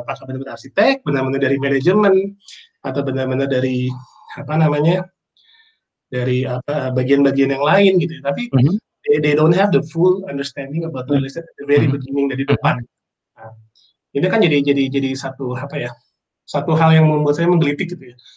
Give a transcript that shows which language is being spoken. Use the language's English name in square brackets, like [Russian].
[Indonesian] Apakah benar-benar arsitek, benar-benar dari manajemen, atau benar-benar dari apa namanya, dari apa bagian-bagian yang lain gitu. Tapi mm-hmm. [English] they don't have the full understanding about real estate at the very mm-hmm. [Indonesian] beginning, dari depan. Nah, ini kan jadi satu apa ya, satu hal yang membuat saya menggelitik gitu ya.